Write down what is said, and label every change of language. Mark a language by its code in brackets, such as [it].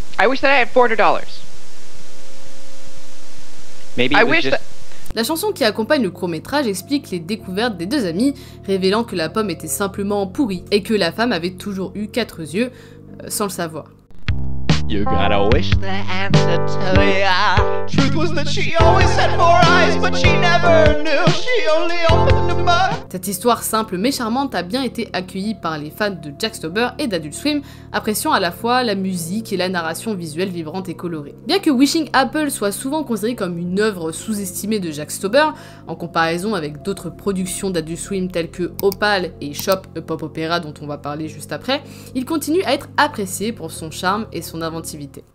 [en] I wish that I had $400. Maybe I wish that... [fr] La chanson qui accompagne le court-métrage explique les découvertes des deux amis, révélant que la pomme était simplement pourrie et que la femme avait toujours eu quatre yeux, sans le savoir. [en] You gotta wish the answer to ya. Truth was that she always had four eyes, but she never knew. She only opened them up. [fr] Cette histoire simple mais charmante a bien été accueillie par les fans de Jack Stauber et d'Adult Swim, appréciant à la fois la musique et la narration visuelle vibrante et colorée. Bien que Wishing Apple soit souvent considéré comme une œuvre sous-estimée de Jack Stauber, en comparaison avec d'autres productions d'Adult Swim telles que Opal et Shop, a pop opéra dont on va parler juste après, il continue à être apprécié pour son charme et son inventivité.